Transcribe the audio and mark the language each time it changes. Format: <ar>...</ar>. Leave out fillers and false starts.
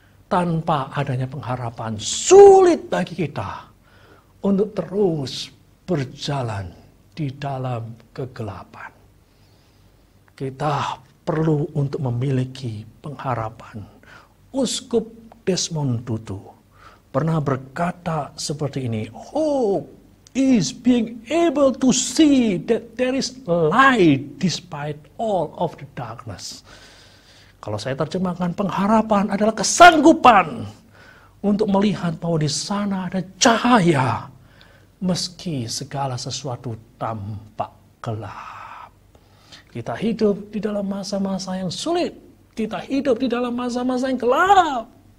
<id>Tanpa adanya pengharapan, sulit bagi kita untuk terus berjalan di dalam kegelapan. Kita perlu untuk memiliki pengharapan. Uskup Desmond Tutu pernah berkata seperti ini,</id> <en>"Hope is being able to see that there is light despite all of the darkness."</en> <id>Kalau saya terjemahkan, pengharapan adalah kesanggupan untuk melihat bahwa di sana ada cahaya meski segala sesuatu tampak gelap. Kita hidup di dalam masa-masa yang sulit. Kita hidup di dalam masa-masa yang gelap.</id>